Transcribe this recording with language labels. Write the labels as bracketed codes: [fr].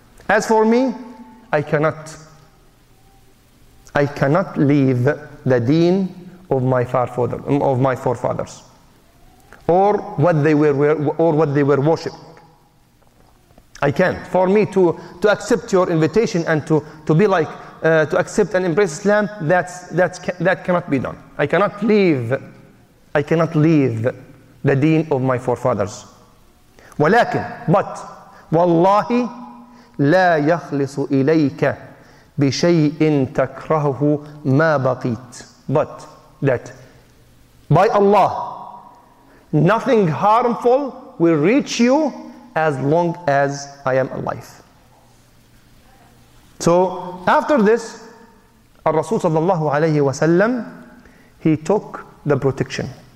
[en] As for me, I cannot leave the deen of my forefathers, or what they were worshipped. I can't. For me to accept your invitation and to be like, to accept and embrace Islam, that cannot be done. I cannot leave the deen of my forefathers. [ar] ولكن, [en] but, [ar] والله لا يخلص إليك بشيء تكرهه ما بقيت. [en] But, that, by Allah, nothing harmful will reach you as long as I am alive. So after this, Rasul sallallahu alayhi wa sallam, he took the protection.